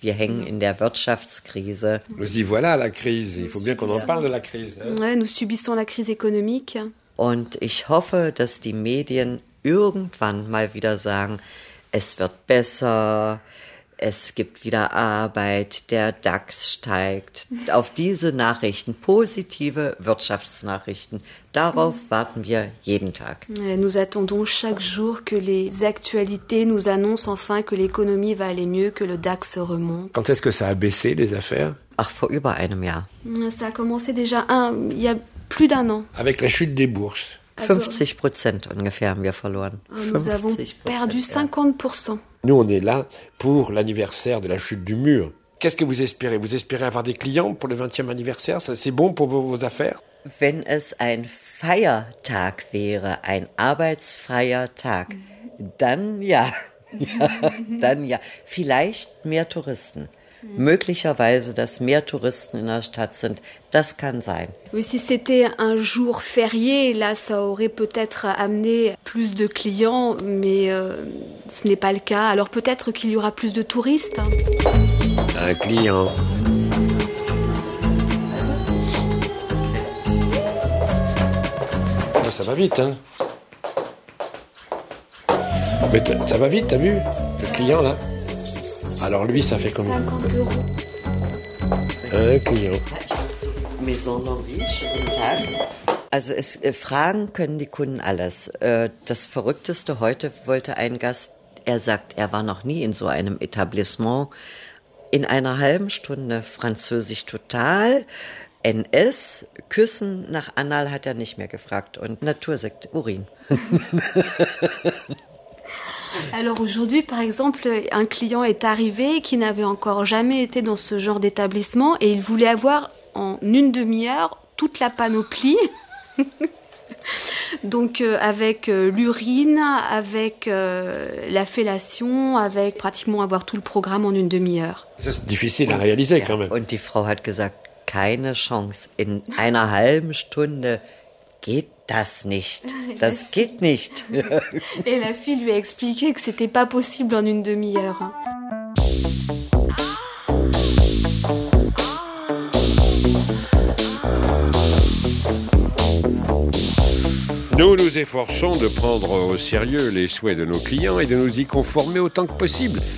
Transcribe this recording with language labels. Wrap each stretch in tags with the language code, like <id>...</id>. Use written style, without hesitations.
<de>Wir hängen in der Wirtschaftskrise.</de> <fr>Nous y voilà, la crise. Il faut bien qu'on en parle de la crise. Ouais, nous subissons la crise économique.</fr> <de>Und ich hoffe, dass die Medien irgendwann mal wieder sagen, es wird besser, es gibt wieder Arbeit, der DAX steigt. Auf diese Nachrichten, positive Wirtschaftsnachrichten, darauf warten wir jeden Tag.</de> <fr>Nous attendons chaque jour que les actualités nous annoncent enfin que l'économie va aller mieux, que le DAX remonte. Quand est-ce que ça a baissé, les affaires?</fr> <de>Ach, vor über einem Jahr.</de> <fr>Ça a commencé déjà il y a plus d'un an. Avec la chute des bourses.</fr> <de>50% ungefähr haben wir verloren.</de> <fr>Nous avons perdu 50%. Nous, on est là pour l'anniversaire de la chute du mur. Qu'est-ce que vous espérez? Vous espérez avoir des clients pour le 20e anniversaire? C'est bon pour vos affaires?</fr> <de>Wenn es ein Feiertag wäre, ein arbeitsfreier Tag, dann ja. Dann ja. Vielleicht mehr Touristen. Möglicherweise, dass mehr Touristen in der Stadt sind, das kann sein.</de> <fr>Oui, si c'était un jour férié, là, ça aurait peut-être amené plus de clients, mais ce n'est pas le cas. Alors peut-être qu'il y aura plus de touristes. Un client. Oh, ça va vite, hein. Mais ça va vite, t'as vu le client, là? Alors lui, ça fait combien? 50 euros. Un client. Maison d'envie, je vous le dis.</fr> <de>Also es, Fragen können die Kunden alles. Das Verrückteste, heute wollte ein Gast, er sagt, er war noch nie in so einem Etablissement, in einer halben Stunde Französisch total, NS, Küssen, nach Anal hat er nicht mehr gefragt und Natursekt, Urin.</de> <fr>Alors aujourd'hui, par exemple, un client est arrivé qui n'avait encore jamais été dans ce genre d'établissement et il voulait avoir en une demi-heure toute la panoplie. Donc avec l'urine, avec la fellation, avec pratiquement avoir tout le programme en une demi-heure. C'est difficile à réaliser quand même.</fr> <de>Und die Frau hat gesagt, keine Chance, in einer halben Stunde geht das nicht. Das geht nicht.</de> <fr>Et la fille lui a expliqué que c'était pas possible en une demi-heure. Nous nous efforçons de prendre au sérieux les souhaits de nos clients et de nous y conformer autant que possible.</fr>